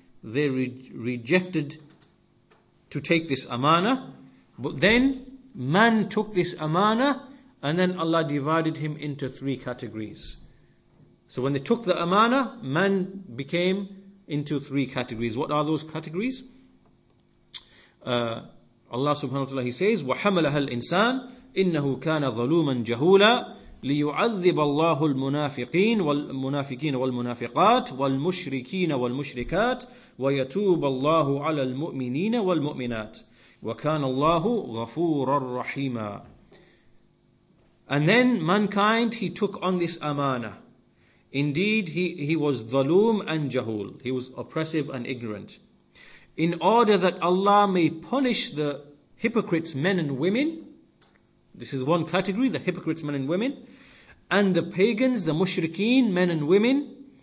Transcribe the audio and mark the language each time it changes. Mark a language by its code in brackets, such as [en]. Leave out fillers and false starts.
[en] They rejected to take this amana. But then man took this amana, and then Allah divided him into three categories. So when they took the amana, man became into three categories. What are those categories? Allah subhanahu wa ta'ala, he says, [ar] وَحَمَلَهَا الْإِنسَانِ إِنَّهُ كَانَ ظَلُومًا جَهُولًا لِيُعَذِّبَ اللَّهُ الْمُنَافِقِينَ وَالْمُنَافِقَاتِ وَالْمُشْرِكِينَ وَالْمُشْرِكَاتِ وَيَتُوبَ اللَّهُ عَلَى الْمُؤْمِنِينَ وَالْمُؤْمِنَاتِ وَكَانَ اللَّهُ غَفُورًا رَحِيمًا. [en] And then mankind, he took on this amana. Indeed, he was ظَلُوم and jahul. He was oppressive and ignorant. in order that Allah may punish the hypocrites, men and women. This is one category, the hypocrites, men and women. And the pagans, the mushrikeen, men and women.